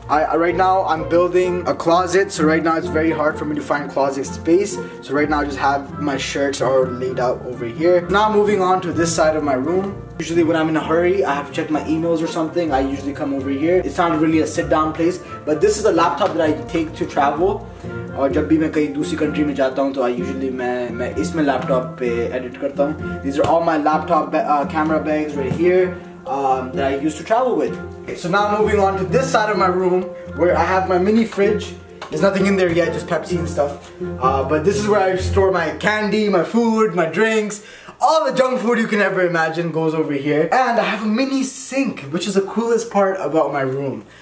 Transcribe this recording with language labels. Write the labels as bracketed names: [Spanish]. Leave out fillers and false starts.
[English] Right now I'm building a closet, so right now it's very hard for me to find closet space. So right now I just have my shirts all laid out over here. Now moving on to this side of my room. Usually when I'm in a hurry, I have to check my emails or something, I usually come over here. It's not really a sit-down place, but this is a laptop that I take to travel. [Hindi] और जब भी मैं कहीं दूसरी country में जाता हूँ, तो [English] I usually [Hindi] मैं इसमें laptop पे edit करता हूँ. [English] These are all my laptop camera bags right here that I used to travel with. Okay, so now moving on to this side of my room where I have my mini fridge. There's nothing in there yet, just Pepsi and stuff. But this is where I store my candy, my food, my drinks. All the junk food you can ever imagine goes over here. And I have a mini sink, which is the coolest part about my room.